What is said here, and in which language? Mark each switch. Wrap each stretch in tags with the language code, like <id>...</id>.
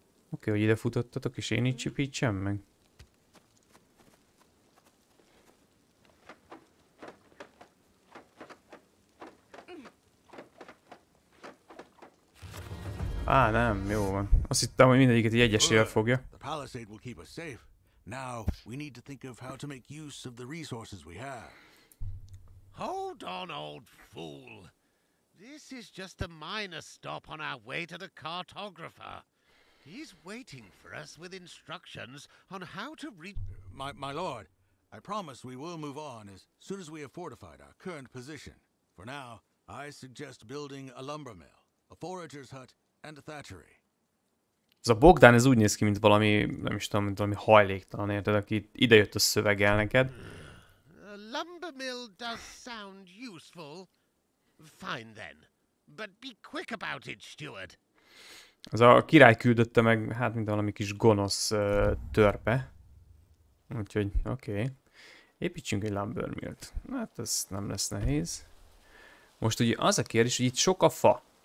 <hu>Oké, hogy ide futottatok, és én így csipítsem meg. Á, nem, jó van. Azt hittem, hogy mindegyiket így egyesével fogja.</hu> <en>A palisade will keep us safe. Now we need to think of how to make use of the resources we have. Hold on, old fool. This is just a minor stop on our way to the cartographer. He's waiting for us with instructions on how to re- My lord, I promise we will move on as soon as we have fortified our current position. For now, I suggest building a lumber mill, a forager's hut, and a thatchery.</en> <hu>Ez a Bogdan, ez úgy néz ki, mint valami, nem is tudom, mint valami hajléktalan, érted, aki idejött a szöveggel neked.</hu> <en>Lumber mill does sound useful. Fine then, but be quick about it, steward.</en> <hu>Az a király küldötte meg, hát mint valami kis gonosz törpe. Úgyhogy, oké. Építsünk egy lumber millt. Hát ez nem lesz nehéz. Most ugye az a kérdés, hogy itt sok a fa.</hu>